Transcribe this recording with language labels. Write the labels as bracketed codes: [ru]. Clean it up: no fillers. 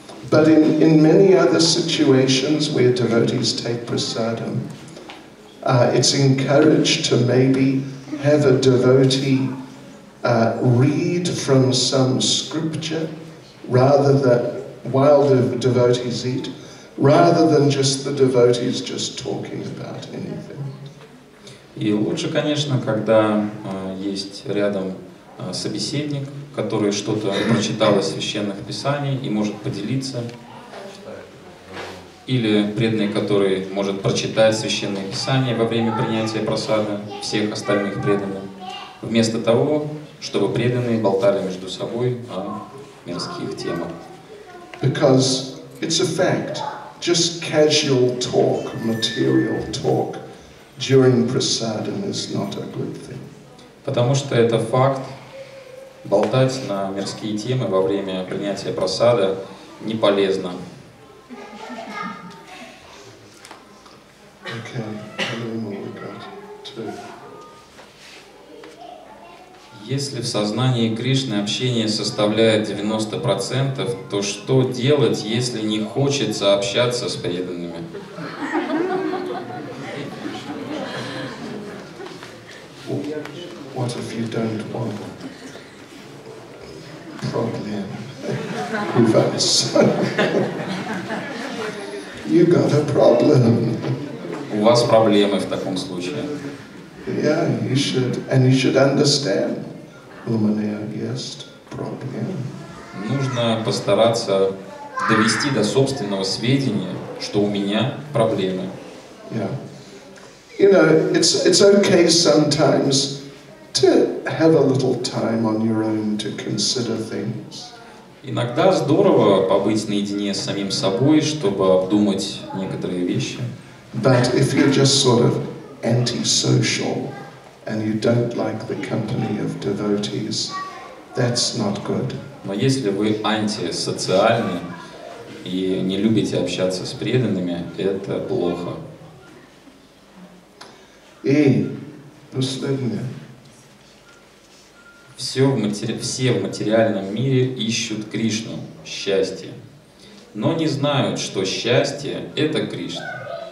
[en] But in many other situations where devotees take prasadam, it's encouraged to maybe have a devotee read from some scripture rather than while the devotees eat, rather than just the devotees just talking about anything. [ru] И лучше, конечно, когда есть рядом собеседник, который что-то прочитал из священных писаний и может поделиться. Или преданный, который может прочитать священные писания во время принятия просада всех остальных преданных. Вместо того, чтобы преданные болтали между собой о мирских темах. [en] Because it's a fact, just casual talk, material talk during prasadam is not a good thing. [ru] Потому что это факт. Болтать на мирские темы во время принятия просада не полезно. [en] Okay. [ru] Если в сознании Кришны общение составляет 90%, то что делать, если не хочется общаться с преданными? [en] What if you don't want to? Problem. You got a problem. [ru] У вас проблемы в таком случае. [en] Yeah, you should, and you should understand. Lumineer guest problem. [ru] Нужно постараться довести до собственного сведения, что у меня проблемы. [en] Yeah. You know, it's okay sometimes to have a little time on your own to consider things. [ru] Иногда здорово побыть наедине с самим собой, чтобы обдумать некоторые вещи. [en] But if you're just sort of antisocial and you don't like the company of devotees, that's not good. [ru] Но если вы антисоциальны и не любите общаться с преданными, это плохо. И последнее. Все в материальном мире ищут Кришну, счастье, но не знают, что счастье – это Кришна.